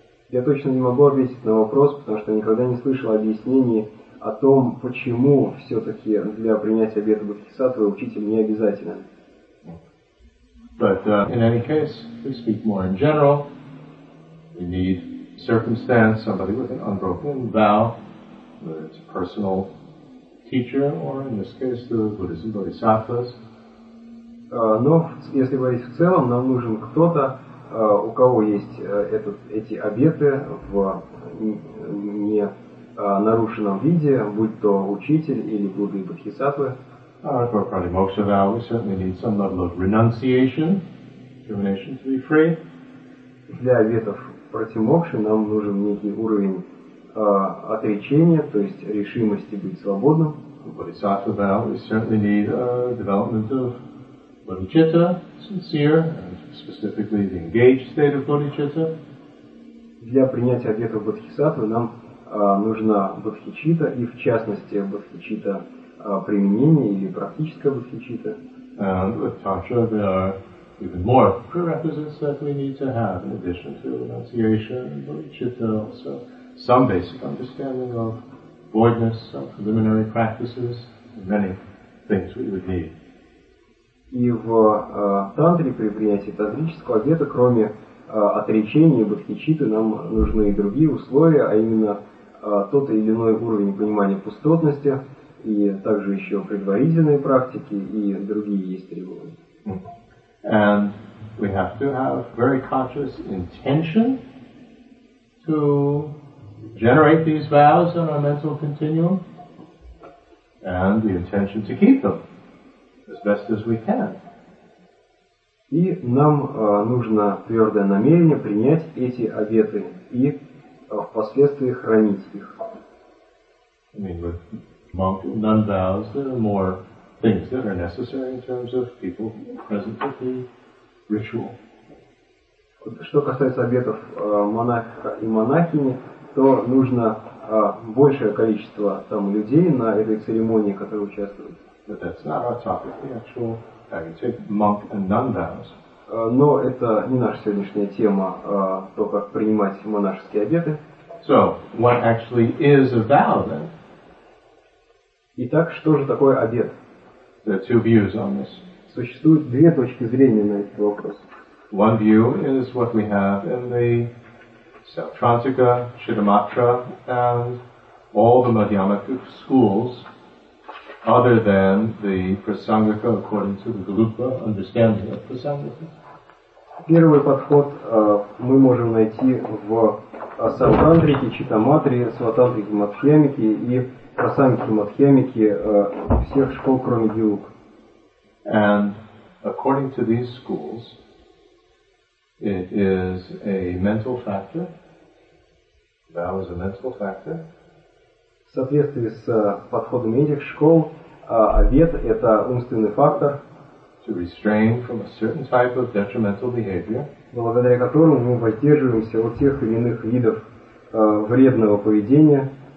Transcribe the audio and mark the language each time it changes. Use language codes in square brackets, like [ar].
[ru] Я точно не могу ответить на вопрос, потому что никогда не слышал объяснений о том, почему все-таки для принятия обета бодхисаттвы учитель не обязателен. [en] But in any case, we speak more in general. We need circumstance, somebody with an unbroken vow, whether it's a personal teacher or, in this case, the Buddhas and Bodhisattvas. [ru] Но если говорить в целом, нам нужен кто-то. У кого есть эти обеты в не нарушенном виде, будь то учитель или Будда и Бодхисаттвы. [en] For pratimoksha vow, we certainly need some level of renunciation, determination to be free. [ru] Для обетов пратимокши нам нужен некий уровень отречения, то есть решимости быть свободным. [en] For bodhisattva vow, we certainly need development of bodhicitta, sincere, specifically the engaged state of bodhicitta. [ru] Для принятия обетов бодхисаттвы нам нужна бодхичитта, и в частности бодхичитта применения или практическая бодхичитта. [en] And with tantra, there are even more prerequisites that we need to have in addition to renunciation and bodhicitta, also some basic understanding of voidness, of preliminary practices, and many things we would need. [ru] И в тантре, при принятии тантрического обета, кроме отречения и бодхичитты, нам нужны и другие условия, а именно тот или иной уровень понимания пустотности, и также еще предварительные практики, и другие есть требования. [en] And we have to have very conscious intention to generate these vows on our mental continuum. and the intention to keep them as best as we can. [ru] И нам нужно твердое намерение принять эти обеты и впоследствии хранить их. [en] I mean, with monk nun vows, there are more things that are necessary in terms of people present at the ritual. [ru] Что касается обетов монаха и монахини, то нужно большее количество там людей на этой церемонии, которые участвуют. [en] But that's not our topic, the actual practice, monk and nun vows. [ru] Но это не наша сегодняшняя тема, то, как принимать монашеские обеты. [en] So, what actually is a vow, then? [ru] Итак, что же такое обет? [en] There are two views on this. [ru] Существуют две точки зрения на этот вопрос. [en] One view is what we have in the Sautrantika, Chittamatra, and all the Madhyamaka schools, other than the Prasangika, according to the Galupa understanding of Prasangika. [ru] Первый подход мы можем найти в Сартантрике, Читаматре, Сватантрике, Мадхьямике и Прасангике, Мадхьямике всех школ, кроме Гиук. [en] And according to these schools, it is a mental factor. Vow is a mental factor. [ru] В соответствии с подходами этих школ, обет — это умственный фактор. [en] To restrain from a certain type of detrimental behavior. [ru] Благодаря которому мы воздерживаемся от тех или иных видов вредного поведения.